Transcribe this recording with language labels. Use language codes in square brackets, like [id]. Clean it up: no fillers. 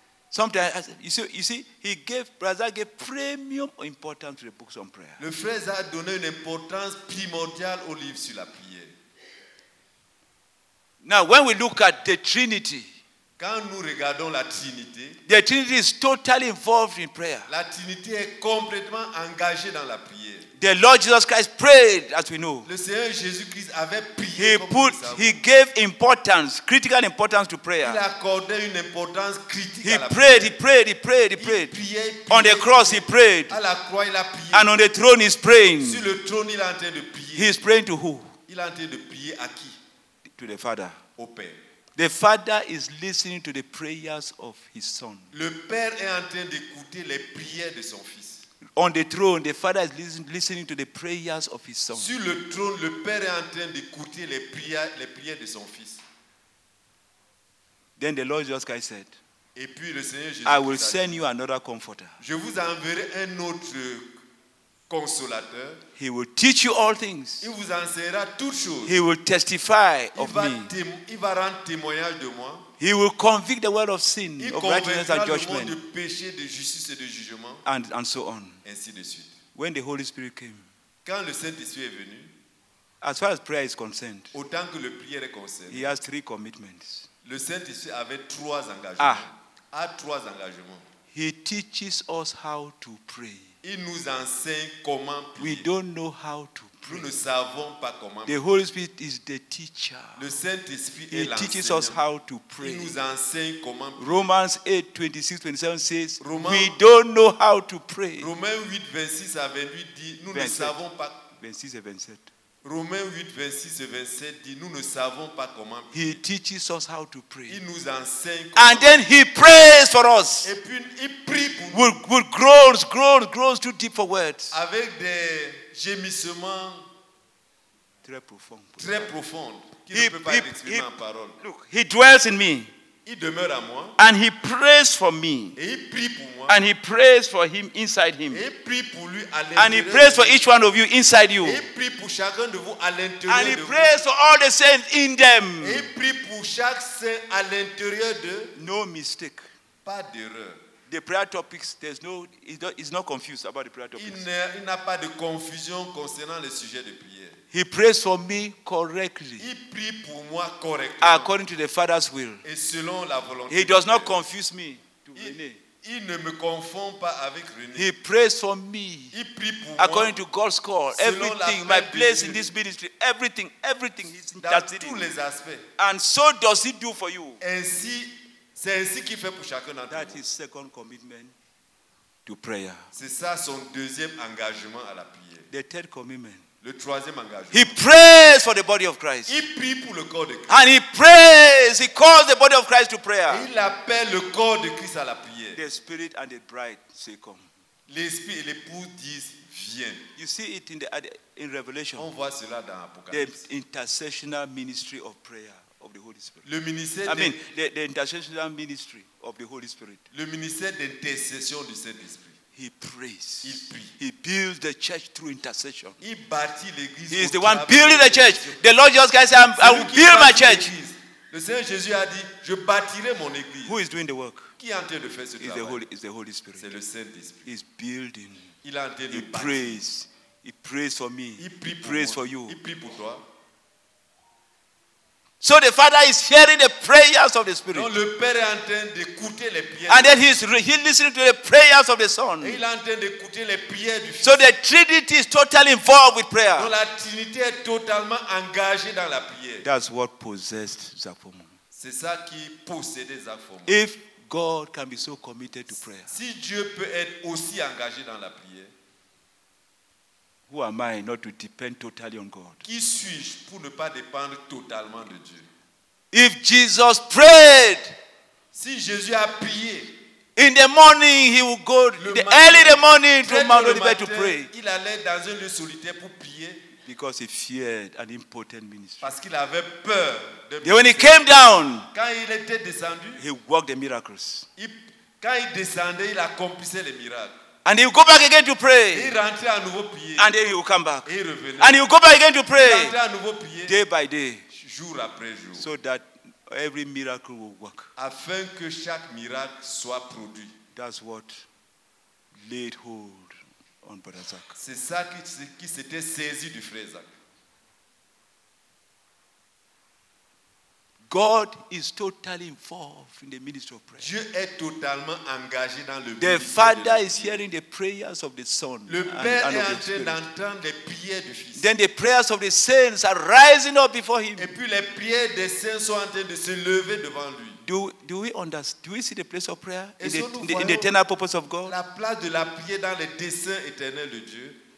[en] Sometimes, you see, he gave, Brother gave premium importance to the books on prayer. [fr] Le frère a donné une importance primordiale au livre sur la prière. [en] Now, when we look at the Trinity, [fr] quand nous regardons la Trinité, [en] the Trinity is totally involved in prayer. [fr] La Trinité est complètement engagée dans la prière. [en] The Lord Jesus Christ prayed, as we know. [fr] Le Seigneur Jésus-Christ avait prié. [en] He gave importance, critical importance to prayer. [fr] Il accordait une importance critique [en] he [fr] à la [en] prayed, [fr] prière. [en] He prayed. [fr] Il priait, [en] on the cross, he prayed. [fr] À la croix, il a prié. [en] And on the throne, he's praying. [fr] Sur le trône, il est en train de prier. [en] He's praying to who? [fr] Il est en train de prier à qui? [en] To the Father. [fr] Au Père. [en] The Father is listening to the prayers of his Son. [fr] Le Père est en train d'écouter les prières de son Fils. [en] On the throne, the Father is listening to the prayers of his Son. [fr] Sur le trône, le Père est en train d'écouter les prières de son Fils. [en] Then the Lord Jesus Christ said, [fr] et puis le Seigneur Jésus [en] I will send you another comforter. [fr] Je vous enverrai un autre consolateur. [en] He will teach you all things. [fr] Il vous enseignera toutes choses. [en] He will testify of me. [fr] Il va rendre témoignage de moi. [en] He will convict the world of sin, [fr] il [en] of righteousness and judgment. [fr] De péché, de justice et de jugement, [en] and so on. [fr] Ainsi de suite. [en] When the Holy Spirit came, [fr] quand le Saint-Esprit est venu, [en] as far as prayer is concerned, [fr] autant que le prière est concerné, [en] he has three commitments. [fr] Le Saint-Esprit avait trois engagements. A trois engagements. [en] He teaches us how to pray. [fr] Il nous enseigne comment prier. [en] We don't know how to pray. [fr] Nous ne savons pas comment prier. [en] The Holy Spirit is the teacher. [fr] Le Saint-Esprit est l'enseignant. [en] He teaches us how to pray. [fr] Il nous enseigne comment prier. [en] Romans 8:26-27 says, we don't know how to pray. [fr] Romains 8:26-28 dit, nous ne savons pas. 26 et 27. Romains 8, 26 et 27 dit, nous ne savons pas comment prier. [en] He teaches us how to pray. [fr] Il nous enseigne comment. [en] And then he prays for us. [fr] Et puis il prie pour nous. [en] With groans, groans, groans too deep for words. [fr] Avec des gémissements très profonds. Très profonds. Qui ne peut pas l'exprimer en parole. [en] Look, he dwells in me. [fr] Il demeure à moi. [en] And he prays for me. [fr] Et il prie pour moi. [en] And he prays for him inside him. [fr] Et il prie pour lui à [en] and he prays for each one of you inside you. [fr] Et il prie pour chacun de vous à l'intérieur [en] and he [fr] de [en] prays [fr] vous. [en] For all the saints in them. [fr] Et il prie pour chaque saint à l'intérieur de. [en] No mistake. [fr] Pas d'erreur. [en] The prayer topics, there's no, he's not confused about the prayer topics. [fr] Il n'a pas de confusion concernant le sujet de prière. [en] He prays for me correctly. [fr] Il prie pour moi correctement. [en] According to the Father's will. [fr] Et selon la volonté. [en] He does not confuse me to René. [fr] Il ne me confond pas avec René. [en] He prays for me. [fr] Il prie pour [en] according [fr] moi [en] to God's call. Everything, my place in this ministry, everything, everything he's [fr] dans tous in les aspects. [en] And so does he do for you. [fr] Ainsi, c'est ainsi qu'il fait pour chacun d'entre [en] that is second commitment to prayer. [fr] C'est ça son deuxième engagement à la prière. [en] The third commitment. [fr] Le troisième engagement. [en] He prays for the body of Christ. [fr] Il prie pour le corps de Christ. [en] And he prays, he calls the body of Christ to prayer. [fr] Et il appelle le corps de Christ à la prière. [en] The spirit and the bride say come. [fr] L'esprit et l'époux disent viens. [en] You see it in Revelation. [fr] On voit cela dans Apocalypse. [en] The intercessional ministry of prayer of the Holy Spirit. [fr] Le ministère [en] the intercessional ministry of the Holy Spirit. [fr] Le ministère d'intercession du Saint-Esprit. [en] He prays. [fr] Il prie. [en] He builds the church through intercession. [fr] Il bâtit l'église. [en] He is the one building the church. The Lord Jesus Christ said, I will build my church. [fr] Le Seigneur Jésus a dit, je bâtirai mon église. [en] Who is doing the work? [fr] Qui est en train de faire ce travail? [en] It's the Holy Spirit. [fr] C'est le Saint-Esprit. [en] He's building. [fr] Il est en train de bâtir. [en] He prays. He prays for me. [fr] Il prie [en] he prays [fr] moi [en] for you. [fr] Il prie pour toi. [en] So the Father is hearing the prayers of the Spirit. [fr] Non, le Père est en train d'écouter les prières. [en] And then he's listening to the prayers of the Son. [fr] Et il est en train d'écouter les prières du Fils. [en] So the Trinity is totally involved with prayer. [fr] Donc la Trinité est totalement engagée dans la prière. [en] That's what possessed Zach Foreman. [fr] C'est ça qui possédait Zach Foreman. [en] If God can be so committed to prayer. [fr] Si Dieu peut être aussi engagé dans la prière. [en] Who am I not to depend totally on God? [fr] Qui suis-je pour ne pas dépendre totalement de Dieu? [en] If Jesus prayed, [fr] si Jésus a prié, [en] in the morning he would go early in the morning to Mount Olivet to pray. [fr] Il allait dans un lieu solitaire pour prier. [en] Because he feared an important ministry. [fr] Parce qu'il avait peur de [en] ministry. When he came down, [fr] quand il était descendu, [en] he worked the miracles. [fr] Quand il descendait, il accomplissait les miracles. [en] And he will go back again to pray. [fr] Et il rentrait à nouveau prier. [en] And then he will come back. [fr] Et il revenait. [en] And he will go back again to pray. [fr] Il rentrait à nouveau prier. [en] Day by day. [fr] Jour après jour. [en] So that every miracle will work. [fr] Afin que chaque miracle soit produit. [en] That's what laid hold on Brother Zach. [fr] C'est ça qui s'était saisi du frère Zach. [en] God is totally involved in the ministry of prayer. [fr] Dieu est totalement engagé dans le ministère. [en] The Father is hearing the prayers of the Son. [fr] Le Père est en train d'entendre les prières du Fils. [en] Then the prayers of the saints are rising up before him. [fr] Et puis les prières des saints sont en train de se lever devant lui. [en] Do we understand? Do we see the place of prayer in the eternal purpose of God? [fr] La place de la prière dans les desseins éternels de Dieu.